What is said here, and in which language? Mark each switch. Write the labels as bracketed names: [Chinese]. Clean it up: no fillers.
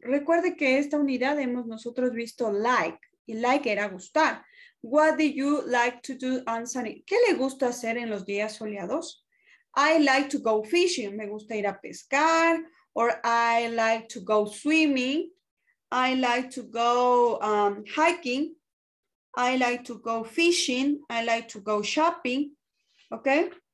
[Spanish] Recuerde que esta unidad hemos nosotros visto like. Y like era gustar. [English] What do you like to do on sunny? [Spanish] ¿Qué le gusta hacer en los días soleados? [English] I like to go fishing. [Spanish] Me gusta ir a pescar. [English] Or I like to go swimming. I like to go hiking. I like to go fishing. I like to go shopping. Okay.